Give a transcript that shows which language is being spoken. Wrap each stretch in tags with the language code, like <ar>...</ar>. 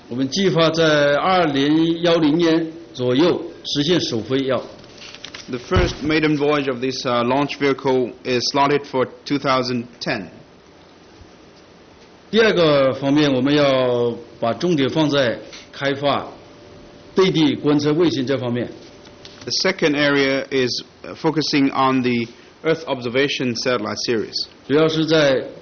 <zh>我们计划在2010年左右实现首飞要。</zh> <en>The first maiden voyage of this launch vehicle is slotted for 2010.</en> <zh>第二个方面，我们要把重点放在开发对地观测卫星这方面。</zh> <en>The second area is focusing on the Earth Observation Satellite Series.</en>